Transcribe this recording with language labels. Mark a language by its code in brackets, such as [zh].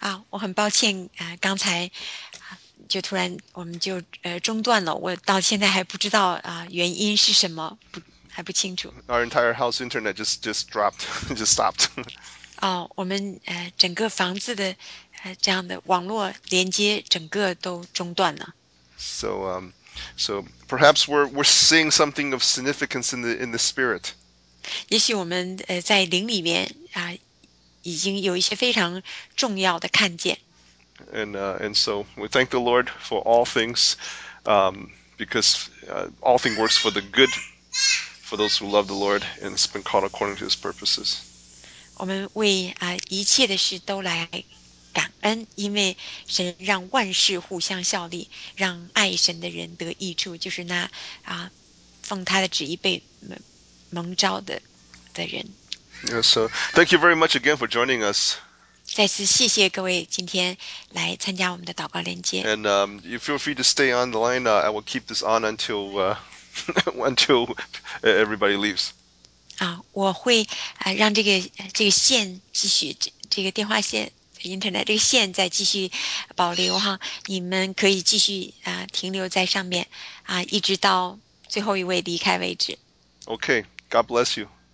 [zh] 我很抱歉，刚才就突然我们就中断了，我到现在还不知道原因是什么，还不清楚。 [en] Our entire house internet just dropped, just stopped. [zh] 我们整个房子的这样的网络连接整个都中断了。 [en] So, so perhaps we're seeing something of significance in the spirit. [zh] 也许我们在灵里面已经有一些非常重要的看见。 [en] And so we thank the Lord for all things, because all things works for the good for those who love the Lord and it's been called according to His purposes. [zh] 我们为一切的事都来感恩，因为神让万事互相效力，让爱神的人得益处，就是那奉他的旨意被蒙召的人。 [en] Yeah, so thank you very much again for joining us. [zh] 再次谢谢各位今天来参加我们的祷告连接。 [en] And you feel free to stay on the line. I will keep this on until until everybody leaves. [zh] 我会让这个线继续这个电话线。 Internet 这个线在继续保留哈，你们可以继续停留在上面一直到最后一位离开为止。 [en] Okay, God bless you.